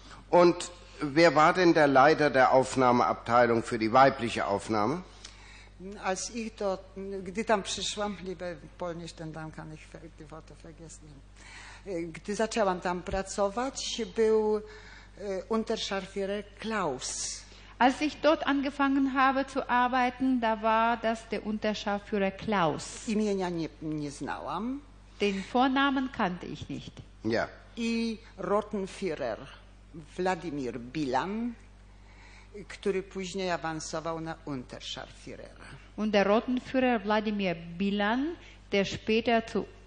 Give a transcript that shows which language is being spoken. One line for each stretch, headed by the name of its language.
German: Und wer war denn der Leiter der Aufnahmeabteilung für die weibliche Aufnahme? Als ich dort,
Polish: gdy tam przyszłam,
German: liebe Polnisch, denn dann kann ich die Worte vergessen.
Polish: Gdy zaczęłam tam pracować, był Unterscharführer Klaus.
German: Als ich dort angefangen habe zu arbeiten, da war das der Unterscharführer Klaus.
Polish: Imienia nie znałam.
German: Den Vornamen kannte ich nicht. Ja.
Polish: I Rotenführer Wladimir Bilan, który później awansował na Unterscharführer.
German: Und der Rotenführer Wladimir Bilan, der später zu